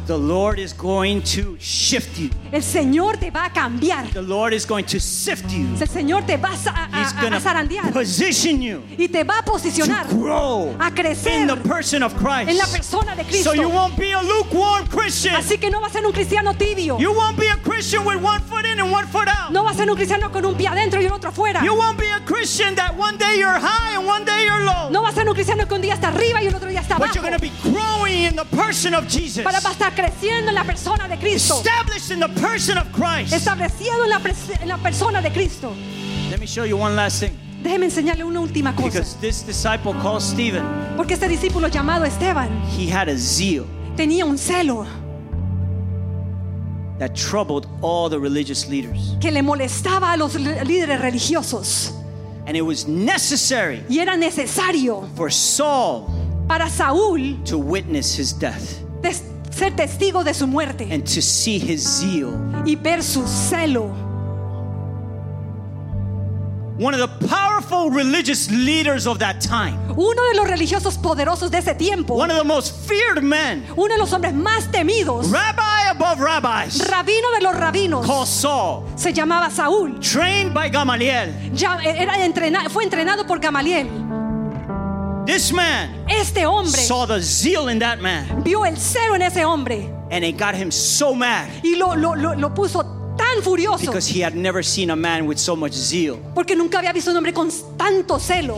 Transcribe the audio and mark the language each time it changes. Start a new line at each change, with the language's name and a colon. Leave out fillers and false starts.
English: The Lord is going to shift you.
Spanish: El Señor te va a cambiar.
English: The Lord is going to sift you.
Spanish: El Señor te va a zarandear.
English: Position you.
Spanish: Y te va a posicionar.
English: To grow.
Spanish: A crecer.
English: In the person of Christ.
Spanish: En la persona de Cristo.
English: So you won't be a lukewarm Christian.
Spanish: Así que no vas a ser un cristiano tibio.
English: You won't be a Christian with one foot in and one foot out.
Spanish: No vas a ser un cristiano con un pie adentro y el otro afuera.
English: You won't be a Christian that one day you're high and one day you're low.
Spanish: No vas a ser un cristiano que un día está arriba y el otro día está abajo.
English: But you're going to be growing in the person of Jesus.
Spanish: Para estar creciendo en la persona de Cristo.
English: Established in the person of Christ.
Spanish: Establecido en la persona de Cristo.
English: Let me show you one last thing.
Spanish: Déjeme enseñarle una última cosa.
English: Because this disciple called Stephen.
Spanish: Porque este discípulo llamado Esteban.
English: He had a zeal.
Spanish: Tenía un celo.
English: That troubled all the religious leaders.
Spanish: Que le molestaba a los líderes religiosos.
English: And it was necessary.
Spanish: Y era necesario.
English: For Saul.
Spanish: Para Saúl.
English: To witness his death.
Spanish: Ser testigo de su muerte.
English: And to see his zeal.
Spanish: Y ver su celo.
English: One of the powerful religious leaders of that time.
Spanish: Uno de los religiosos poderosos de ese tiempo.
English: One of the most feared men.
Spanish: Uno de los hombres más temidos.
English: Rabbi above rabbis.
Spanish: Rabino de los rabinos.
English: Called Saul.
Spanish: Se llamaba Saúl.
English: Trained by Gamaliel.
Spanish: Ya, fue entrenado por Gamaliel.
English: This man,
Spanish: este hombre,
English: saw the zeal in that man.
Spanish: Vio el celo en ese hombre.
English: And it got him so mad.
Spanish: Y lo puso tan furioso.
English: Because he had never seen a man with so much zeal.
Spanish: Porque nunca había visto un hombre con tanto celo.